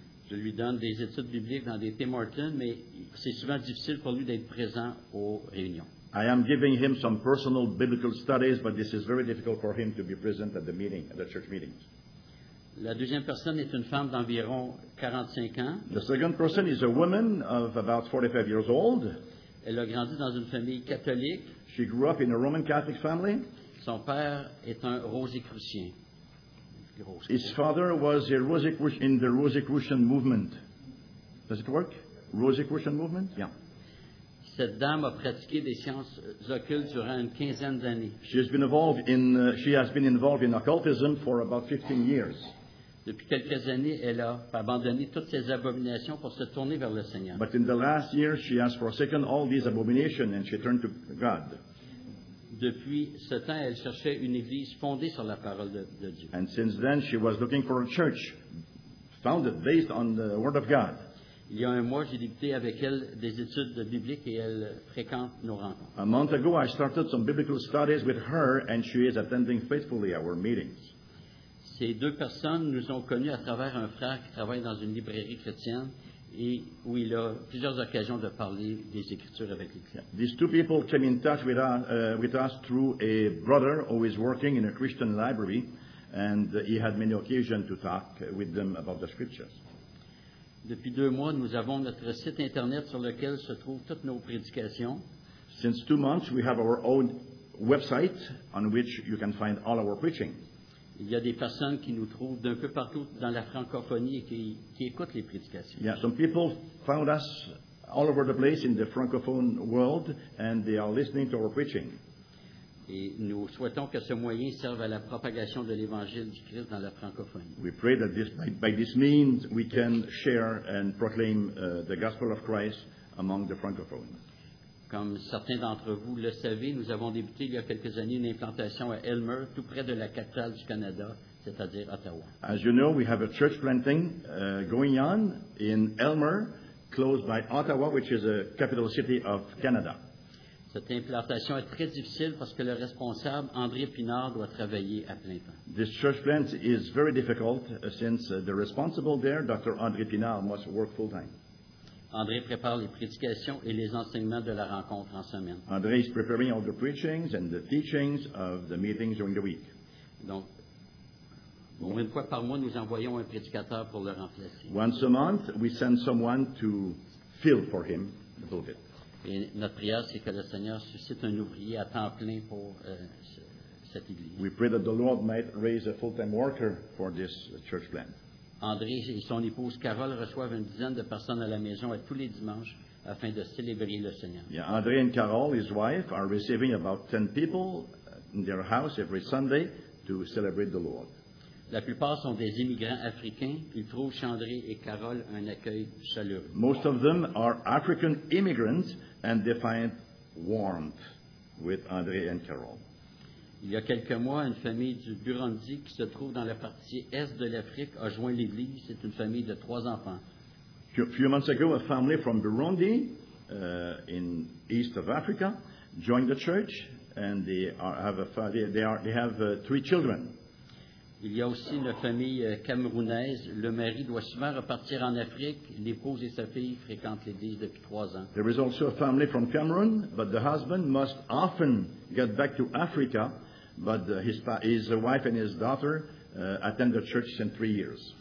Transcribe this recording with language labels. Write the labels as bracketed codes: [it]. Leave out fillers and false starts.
[fr] Je lui donne des études bibliques dans des Tim Hortons, mais c'est souvent difficile pour lui d'être présent aux réunions. [en] I am giving him some personal biblical studies, but this is very difficult for him to be present at the meeting, at the church meetings. [fr] La deuxième personne est une femme d'environ 45 ans. [en] The second person is a woman of about 45 years old. [fr] Elle a grandi dans une famille catholique. [en] She grew up in a Roman Catholic family. [fr] Son père est un Rosicrucien. [en] His father was a Rosicrucian in the Rosicrucian movement. Does it work? Rosicrucian movement? Yeah. [fr] Cette dame a pratiqué des sciences occultes durant une quinzaine d'années. [en] She has been involved in occultism for about 15 years. [fr] Depuis quelques années, elle a abandonné toutes ses abominations pour se tourner vers le Seigneur. [en] But in the last year, she has forsaken all these abominations and she turned to God. [fr] Depuis ce temps, elle cherchait une église fondée sur la parole de Dieu. [en] And since then, she was looking for a church founded based on the Word of God. [fr] Il y a un mois, j'ai débuté avec elle des études de biblique et elle fréquente nos rencontres. [en] A month ago, I started some biblical studies with her and she is attending faithfully our meetings. [fr] Ces deux personnes nous ont connus à travers un frère qui travaille dans une librairie chrétienne et où il a plusieurs occasions de parler des Écritures avec les clients. [en] These two people came in touch with us through a brother who is working in a Christian library and he had many occasions to talk with them about the Scriptures. [fr] Depuis deux mois, nous avons notre site Internet sur lequel se trouvent toutes nos prédications. [en] Since 2 months, we have our own website on which you can find all our preaching. [fr] Il y a des personnes qui nous trouvent d'un peu partout dans la francophonie et qui écoutent les prédications. [en] Yeah, some people found us all over the place in the francophone world and they are listening to our preaching. [fr] Et nous souhaitons que ce moyen serve à la propagation de l'Évangile du Christ dans la francophonie. [en] We pray that this, by this means we can share and proclaim the gospel of Christ among the francophones. [fr] Comme certains d'entre vous le savez, nous avons débuté il y a quelques années une implantation à Elmer, tout près de la capitale du Canada, c'est-à-dire Ottawa. [en] As you know, we have a church planting going on in Elmer, close by Ottawa, which is a capital city of Canada. [fr] Cette implantation est très difficile parce que le responsable, André Pinard, doit travailler à plein temps. [en] This church plant is very difficult since the responsible there, Dr. André Pinard, must work full time. [fr] André prépare les prédications et les enseignements de la rencontre en semaine. [en] André is preparing all the preachings and the teachings of the meetings during the week. [fr] Donc, une fois par mois, nous envoyons un prédicateur pour le remplacer. [en] Once a month, we send someone to fill for him a little bit. [fr] Et notre prière, c'est que le Seigneur suscite un ouvrier à temps plein pour cette église. [en] We pray that the Lord might raise a full-time worker for this church plant. [fr] André et son épouse Carole reçoivent une dizaine de personnes à la maison tous les dimanches afin de célébrer le Seigneur. [en] Yeah, André and Carole, his wife, are receiving about 10 people in their house every Sunday to celebrate the Lord. [fr] La plupart sont des immigrants africains. Ils trouvent Chandré et Carole un accueil chaleureux. [en] Most of them are African immigrants and they find warmth with André and Carole. [fr] Il y a quelques mois, une famille du Burundi qui se trouve dans la partie est de l'Afrique a joint l'église. C'est une famille de trois enfants. [en] A few months ago, a family from Burundi, in east of Africa, joined the church, and they have three children. [fr] Il y a aussi une famille camerounaise. Le mari doit souvent repartir en Afrique. L'épouse et sa fille fréquentent l'église depuis trois ans. [en] There is also a family from Cameroon, but the husband must often get back to Africa, but his wife and his daughter attend the church since 3 years.